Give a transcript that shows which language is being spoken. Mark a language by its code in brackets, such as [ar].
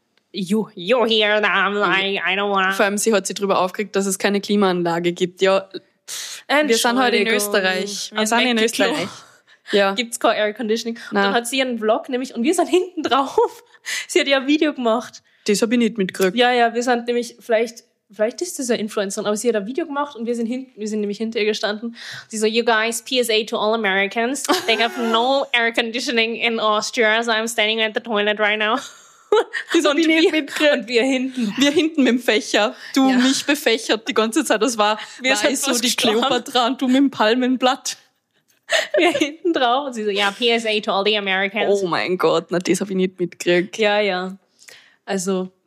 [en] You hear them, like, I don't wanna. [de] Vor allem, sie hat sich darüber aufgeregt, dass es keine Klimaanlage gibt. Ja, Wir sind heute in Österreich. Wir sind in Österreich. Ja. Gibt es kein Air Conditioning. Nein. Und dann hat sie ihren Vlog nämlich, und wir sind hinten drauf. Sie hat ja ein Video gemacht. Das habe ich nicht mitgekriegt. Ja, ja, wir sind nämlich, vielleicht ist das eine Influencerin, aber sie hat ein Video gemacht und wir sind nämlich hinter ihr gestanden. Sie so, [en] you guys, PSA to all Americans, they have no air conditioning in Austria, so I'm standing at the toilet right now. [de] Das habe ich nicht mitgekriegt. Und wir hinten. Wir hinten mit dem Fächer. Du, ja. Mich befächert die ganze Zeit. Das war weiß, halt so die Kleopatra und du mit dem Palmenblatt. Wir hinten drauf. Und sie so, ja, [en] PSA to all the Americans. [de] Oh mein Gott, na, das habe ich nicht mitgekriegt. Ja, ja. Also.